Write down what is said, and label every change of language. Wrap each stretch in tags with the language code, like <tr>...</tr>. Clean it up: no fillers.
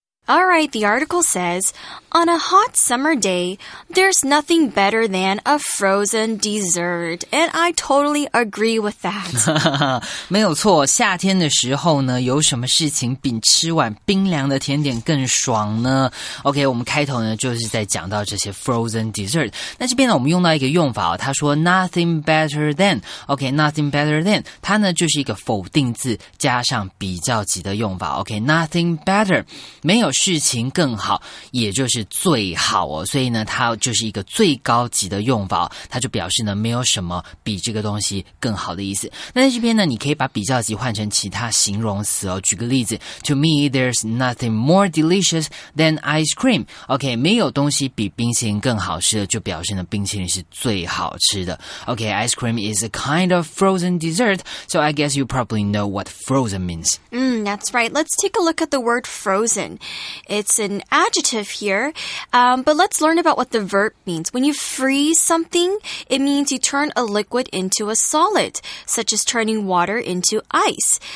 <en>All right, the article says, on a hot summer day, there's nothing better than a frozen dessert. And I totally agree with that.</en> <zh>没有错，夏天的时候呢，有什么事情比吃碗冰凉的甜点更爽呢？ OK, 我们开头呢，就是在讲到这些</zh> <en>frozen dessert。</en> <zh>那这边呢，我们用到一个用法，他说</zh> <en>nothing better than。 OK, nothing better than。</en> <zh>它呢，就是一个否定字加上比较级的用法。</zh> <en>OK, nothing better。</en> <zh>没有事情更好，也就是最好哦，所以呢，它就是一个最高级的用法，它就表示呢，没有什么比这个东西更好的意思。那在这边呢，你可以把比较级换成其他形容词哦。举个例子</zh> <en>，To me, there's nothing more delicious than ice cream.</en> <zh>OK, 没有东西比冰淇淋更好吃的，就表示呢，冰淇淋是最好吃的。</zh> <en>OK, ice cream is a kind of frozen dessert, so I guess you probably know what frozen means. That's right. Let's take a look at the word frozen. It's an adjective here, but let's learn about what the verb means. When you freeze something, it means you turn a liquid into a solid, such as turning water into ice.</en>